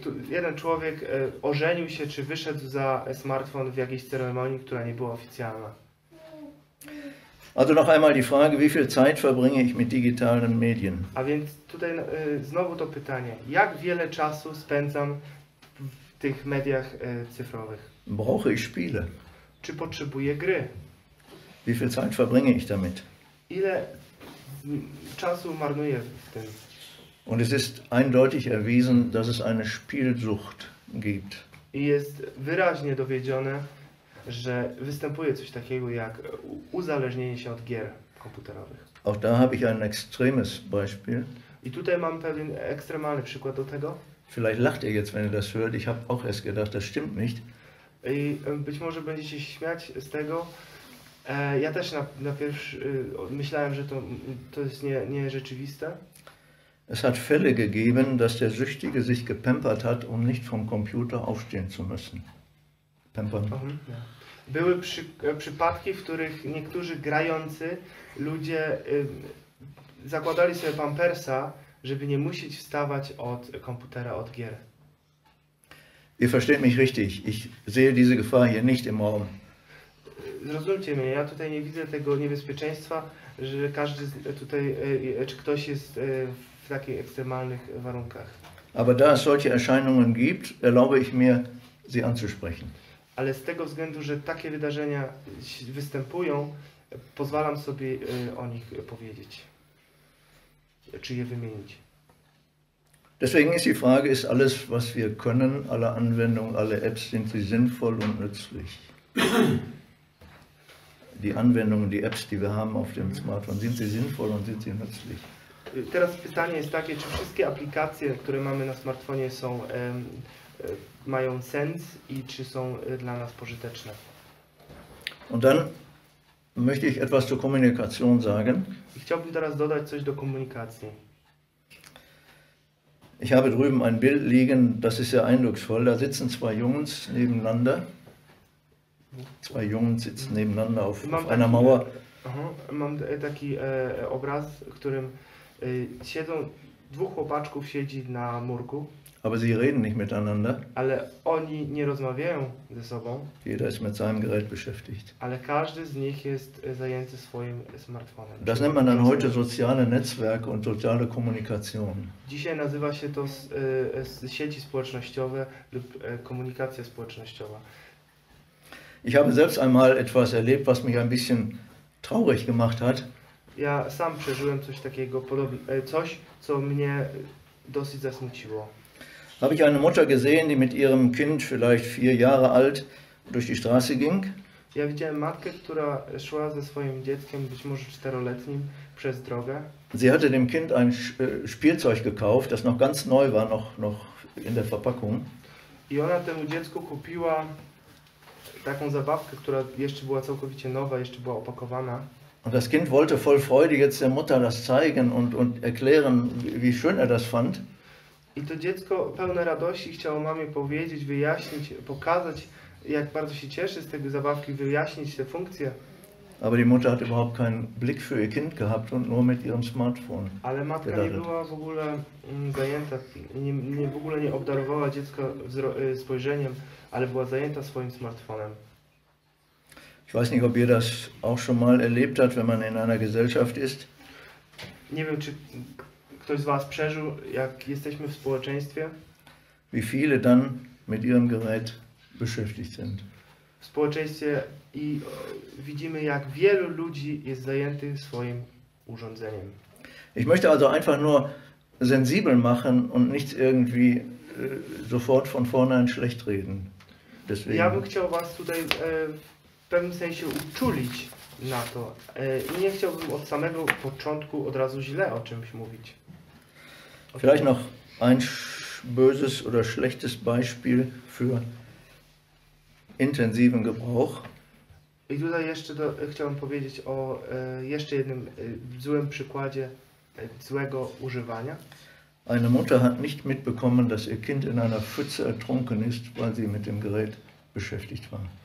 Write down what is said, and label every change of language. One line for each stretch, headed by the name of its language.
Polish: Jeden człowiek ożenił się, czy wyszedł za smartfon w jakiejś ceremonii, która nie była oficjalna.
German: Also noch einmal die Frage, wie viel Zeit verbringe ich mit digitalen Medien?
Polish: A więc tutaj znowu to pytanie, jak wiele czasu spędzam w tych mediach cyfrowych?
German: Brauche ich Spiele?
Polish: Czy potrzebuję gry?
German: Wie viel Zeit verbringe ich damit?
Polish: Ile czasu marnuję w tym?
German: Und es ist eindeutig erwiesen, dass es eine Spielsucht gibt.
Polish: I jest wyraźnie dowiedzione, że występuje coś takiego jak uzależnienie się od gier komputerowych.
German: Auch da habe ich ein extremes Beispiel.
Polish: I tutaj mam pewien ekstremalny przykład do tego.
German: Vielleicht lacht ihr jetzt, wenn ihr das hört. Ich habe auch erst gedacht, das stimmt nicht.
Polish: I być może będziecie się śmiać z tego. Ja też na pierwszy myślałem, że to jest nierzeczywiste.
German: Es hat Fälle gegeben, dass der Süchtige sich gepampert hat, um nicht vom Computer aufstehen zu müssen. Pampern. Mhm.
Polish: Były przypadki, w których niektórzy grający ludzie zakładali sobie pampersa, żeby nie musieć wstawać od komputera, od gier.
German: Ihr versteht mich richtig. Ich sehe diese Gefahr hier nicht im Raum.
Polish: Zrozumcie mnie, ja tutaj nie widzę tego niebezpieczeństwa, że każdy tutaj, czy ktoś jest w takich ekstremalnych warunkach.
German: Aber da es solche Erscheinungen gibt, erlaube ich mir, sie anzusprechen.
Polish: Ale z tego względu, że takie wydarzenia występują, pozwalam sobie o nich powiedzieć, czy je wymienić.
German: Deswegen ist die Frage, ist alles, was wir können, alle Anwendungen, alle Apps, sind sie sinnvoll und nützlich? Die Anwendungen, die Apps, die wir haben auf dem Smartphone, sind sie sinnvoll und sind sie nützlich?
Polish: Teraz pytanie jest takie, czy wszystkie aplikacje, które mamy na smartfonie są, mają sens i czy są dla nas pożyteczne?
German: Und dann möchte ich etwas zur Kommunikation sagen.
Polish: I chciałbym teraz dodać coś do komunikacji.
German: Ich habe drüben ein Bild liegen, das ist sehr eindrucksvoll. Da sitzen zwei Jungs nebeneinander. Zwei Jungen sitzen nebeneinander auf einer Mauer.
Polish: Mam taki obraz, w którym siedzą dwóch chłopaczków, siedzi na murku.
German: Aber sie reden nicht miteinander.
Polish: Ale oni nie rozmawiają ze sobą.
German: Jeder ist mit seinem Gerät beschäftigt.
Polish: Ale każdy z nich jest zajęty swoim smartfonem.
German: Das nennt man dann heute soziale Netzwerke und soziale Kommunikation.
Polish: Dzisiaj nazywa się to sieci społecznościowe lub komunikacja społecznościowa.
German: Ich habe selbst einmal etwas erlebt, was mich ein bisschen traurig gemacht hat.
Polish: Ja sam przeżyłem coś takiego coś, co mnie dosyć zasmuciło.
German: Habe ich eine Mutter gesehen, die mit ihrem Kind, vielleicht 4 Jahre alt, durch die Straße ging.
Polish: Ja widziałem matkę, która szła ze swoim dzieckiem, być może czteroletnim, przez drogę.
German: Sie hatte dem Kind ein Spielzeug gekauft, das noch ganz neu war, noch in der Verpackung.
Polish: I ona temu dziecku kupiła taką zabawkę, która jeszcze była całkowicie nowa, jeszcze była opakowana.
German: Und das Kind wollte voll Freude jetzt der Mutter das zeigen und erklären, wie schön das fand.
Polish: I to dziecko pełne radości chciało mamie powiedzieć, wyjaśnić, pokazać, jak bardzo się cieszy z tej zabawki, wyjaśnić te funkcje.
German: Aber die Mutter hat überhaupt keinen Blick für ihr Kind gehabt und nur mit ihrem Smartphone.
Polish: Ale matka nie była w ogóle zajęta, nie obdarowała dziecka spojrzeniem, ale była zajęta swoim smartfonem.
German: Ich weiß nicht, ob ihr das auch schon mal erlebt hat, wenn man in einer Gesellschaft ist.
Polish: Nie wiem, czy ktoś z was przeżył, jak jesteśmy w społeczeństwie.
German: Wie viele dann mit ihrem Gerät beschäftigt sind.
Polish: W społeczeństwie i widzimy, jak wielu ludzi jest zajętych swoim urządzeniem.
German: Ich möchte also einfach nur sensibel machen und nicht irgendwie sofort von vornherein schlecht reden. Deswegen.
Polish: Ja bym chciał was tutaj w pewnym sensie uczulić na to. Nie chciałbym od samego początku od razu źle o czymś mówić.
German: Vielleicht noch ein böses oder schlechtes Beispiel für intensiven Gebrauch.
Polish: I tutaj jeszcze chciałbym powiedzieć o jeszcze jednym złym przykładzie złego używania.
German: Eine Mutter hat nicht mitbekommen, dass ihr Kind in einer Pfütze ertrunken ist, weil sie mit dem Gerät beschäftigt war.